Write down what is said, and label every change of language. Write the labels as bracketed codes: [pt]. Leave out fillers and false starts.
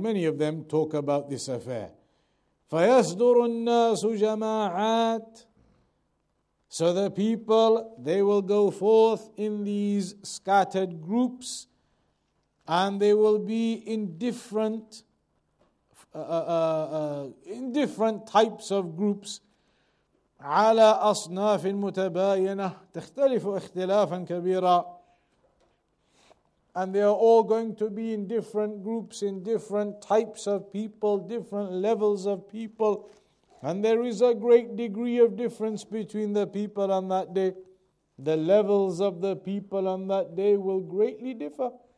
[en] Many of them talk about this affair. [ar] فَيَصْدُرُ النَّاسُ جَمَاعَاتٍ. [en] So the people, they will go forth in these scattered groups, and they will be in different types of groups. [ar] عَلَى أَصْنَافٍ مُتَبَايِنَةٍ تَخْتَلِفُ اخْتِلَافًا كَبِيرًا. [en] And they are all going to be in different groups, in different types of people, different levels of people. And there is a great degree of difference between the people on that day. The levels of the people on that day will greatly differ.